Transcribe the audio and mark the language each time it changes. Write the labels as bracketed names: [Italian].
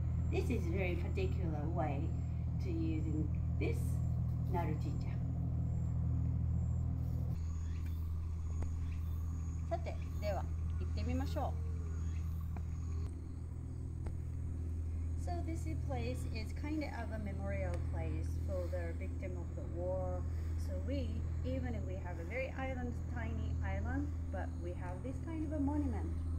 [English] This is a very particular way to using this Naru Jinja. [Japanese] さて、では行ってみましょう。 [English] So this place is kind of a memorial place for the victim of the war. So we, even if we have a very island, tiny island, but we have this kind of a monument.